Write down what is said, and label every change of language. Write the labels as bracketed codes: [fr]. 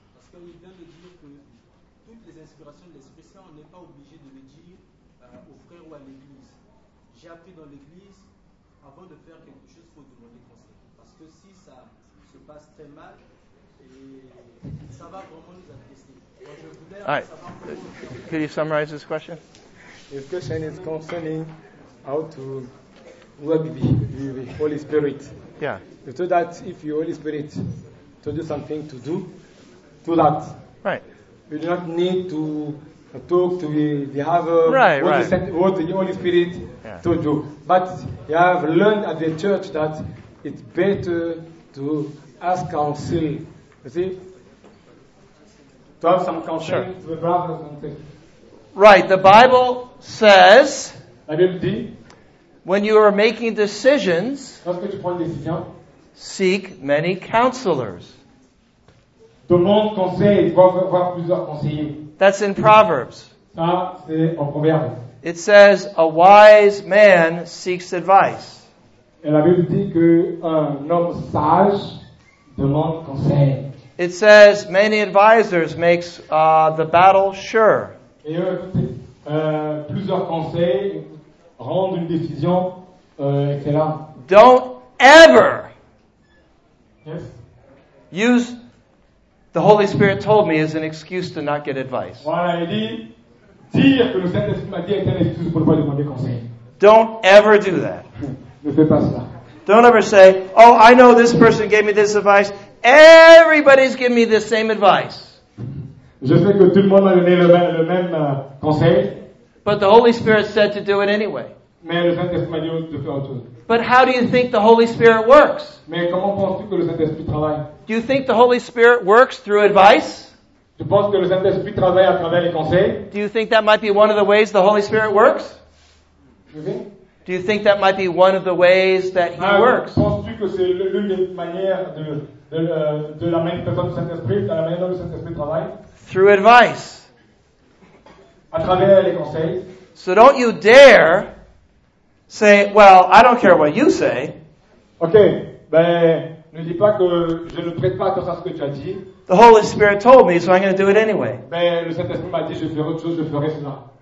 [fr] Comme il vient de dire que toutes les inspirations de l'Esprit Saint, on n'est pas obligé de le dire aux frères ou à l'Église. J'ai appris dans l'Église, avant de faire quelque chose, il faut demander conseil. Parce que si ça se passe très mal, et ça va vraiment nous attester. Donc je voudrais savoir comment. [en] Could you summarize this question? His question is concerning how to be the Holy Spirit. Yeah. You told that if your Holy Spirit told you something to do, to that. Right. You do not need to talk to the other right. The Holy Spirit to do. But you have learned at the church that it's better to ask counsel. You see? To have some counsel. Sure. To the brothers and sisters. Right. The Bible says, [fr] la Bible dit, [en] when you are making decisions, [fr] lorsque tu prends une décision, [en] seek many counselors. [fr] Demande conseil, voir plusieurs conseillers. [en] That's in Proverbs. [fr] Ça, c'est en Proverbes. [en] It says, a wise man seeks advice. [fr] Et la Bible dit qu'un homme sage demande conseil. [en] It says, many advisors makes the battle sure. [fr] Et plusieurs conseils rendent une décision excellente. [en] Don't ever yes. Use the Holy Spirit told me is an excuse to not get advice. [fr] Voilà, il dit, dire que le Saint-Esprit m'a dit est une excuse pour ne pas demander conseil. [en] Don't ever do that. [fr] Ne fais pas ça. [en] Don't ever say, oh, I know this person gave me this advice. Everybody's giving me the same advice. [fr] Je sais que tout le monde m'a donné le même conseil. [en] But the Holy Spirit said to do it anyway. [fr] Mais le Saint-Esprit m'a dit de faire autre chose. [en] But how do you think the Holy Spirit works? [fr] Mais comment penses-tu que le Saint-Esprit travaille? [en] Do you think the Holy Spirit works through advice? [fr] Tu penses que le Saint-Esprit travaille à travers les conseils? [en] Do you think that might be one of the ways the Holy Spirit works? [fr] Oui. [en] Do you think that might be one of the ways that he works? [fr] Penses-tu que c'est l'une des manières de la manifestation du Saint-Esprit, de la manière dont le Saint-Esprit travaille? [en] Through advice. [fr] À travers les conseils. [en] So don't you dare say, well, I don't care what you say. [fr] Okay, ben, ne dis pas que je ne prête pas attention à ce que tu as dit. [en] The Holy Spirit told me, so I'm going to do it anyway. [fr] Ben, le Saint-Esprit m'a dit, je ferai autre chose, je ferai cela.